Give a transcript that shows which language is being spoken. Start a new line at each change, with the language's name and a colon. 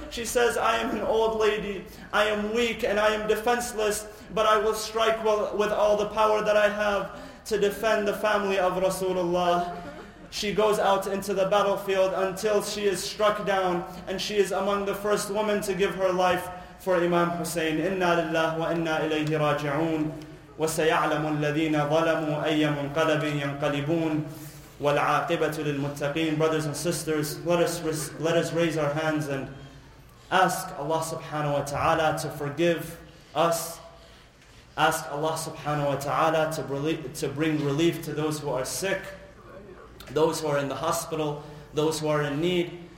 English: She says, I am an old lady, I am weak and I am defenseless, but I will strike with all the power that I have to defend the family of Rasulullah. She goes out into the battlefield until she is struck down, and she is among the first women to give her life for Imam Hussein.
Arabic: Inna lillahi wa inna ilayhi raji'un. وسيعلم الذين ظلموا أي منقلب ينقلبون والعاقبة للمتقين.
English: Brothers and sisters, let us raise our hands and ask Allah subhanahu wa ta'ala to forgive us. Ask Allah subhanahu wa ta'ala to bring relief to those who are sick, those who are in the hospital, those who are in need.